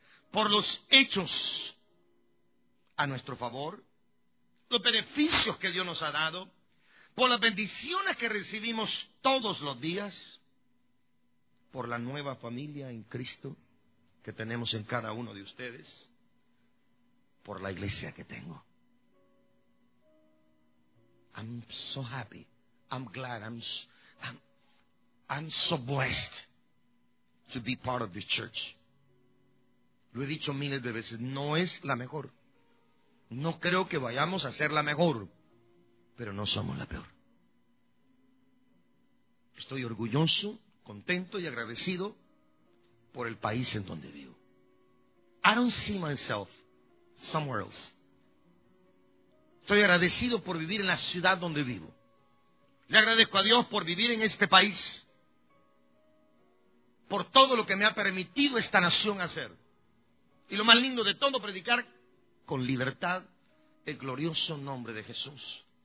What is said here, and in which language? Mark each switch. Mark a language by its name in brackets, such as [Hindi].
[Spanish] por los hechos a nuestro favor, los beneficios que Dios nos ha dado, por las bendiciones que recibimos todos los días, por la nueva familia en Cristo que tenemos en cada uno de ustedes, por la iglesia que tengo. [English] I'm so happy. I'm glad. I'm so blessed to be part of this church. [Spanish] Lo he dicho miles de veces, no es la mejor. No creo que vayamos a ser la mejor, pero no somos la peor. Estoy orgulloso, contento y agradecido por el país en donde vivo. [English] I don't see myself somewhere else. [Spanish] Estoy agradecido por vivir en la ciudad donde vivo. Le agradezco a Dios por vivir en este país, por todo lo que me ha permitido esta nación hacer. Y lo más lindo de todo, predicar con libertad el glorioso nombre de Jesús.